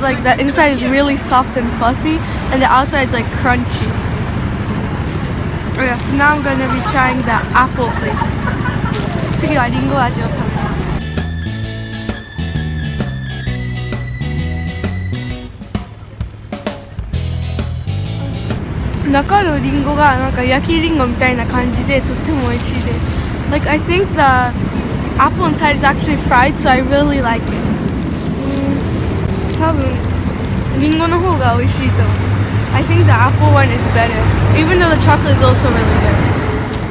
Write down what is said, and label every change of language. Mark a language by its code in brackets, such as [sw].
[en] Like the inside is really soft and fluffy, and the outside is like crunchy. Okay, so now I'm gonna be trying the apple flavor. [ja] 次はリンゴ味を食べます。中のリンゴがなんか焼きリンゴみたいな感じでとっても美味しいです。 [en] Like I think the apple inside is actually fried, so I really like it. [ja] 多分リンゴの方が美味しいと思う。 [en] I think the apple one is better, even though the chocolate is also really good.